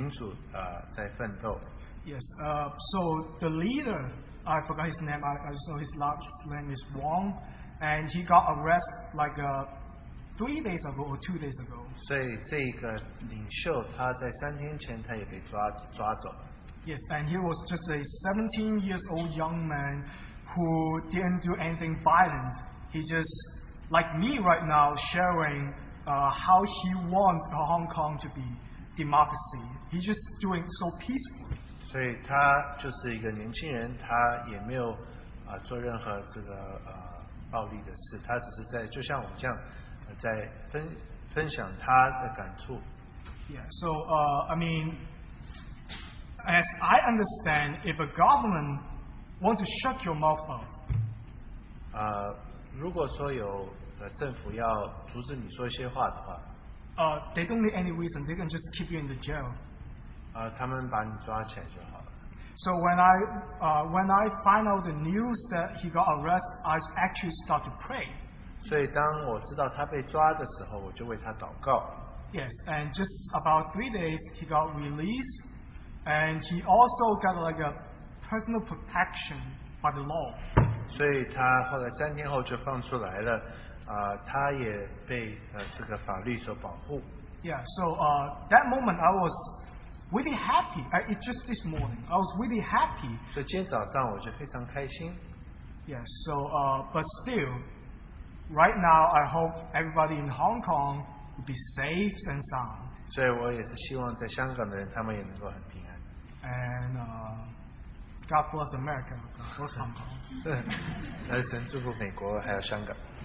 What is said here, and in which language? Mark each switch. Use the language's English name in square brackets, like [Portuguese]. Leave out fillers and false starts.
[Chinese] 所以在香港，无论是学生们、父母们，还有一些老师们，他们为着民主在奋斗。 [English] Yes. So the leader, I forgot his name. I saw his last name is Wong, and he got arrested like a. 3 days ago or 2 days ago. [Chinese] 所以这个领袖他在三天前他也被抓走了。 [English] Yes, and he was just a 17 years old young man who didn't do anything violent. He just, like me right now, sharing how he wants Hong Kong to be democracy. He's just doing so peacefully. [Chinese] 所以他就是一个年轻人，他也没有做任何这个暴力的事，他只是在就像我这样在分享他的感触。 [English] Yeah, so I mean, as I understand, if a government want to shut your mouth up, [Chinese] 如果说有政府要阻止你说一些话的话， [English] they don't need any reason. They can just keep you in the jail. [Chinese] 他们把你抓起来就好了。 [English] So when I find out the news that he got arrested, I actually start to pray. [Chinese] 所以当我知道他被抓的时候，我就为他祷告。 [English] Yes, and just about 3 days he got released, and he also got like a personal protection by the law. [Chinese] 所以他后来三天后就放出来了。他也被这个法律所保护。 [English] Yeah, so that moment I was really happy. It's just this morning. I was really happy. [Chinese] 所以今天早上我就非常开心。 [English] Yeah, so but still, right now I hope everybody in Hong Kong will be safe and sound. [Chinese] 所以我也是希望在香港的人他们也能够很平安。 [English] And God bless America, God bless Hong Kong. [Chinese] 来神祝福美国还有香港。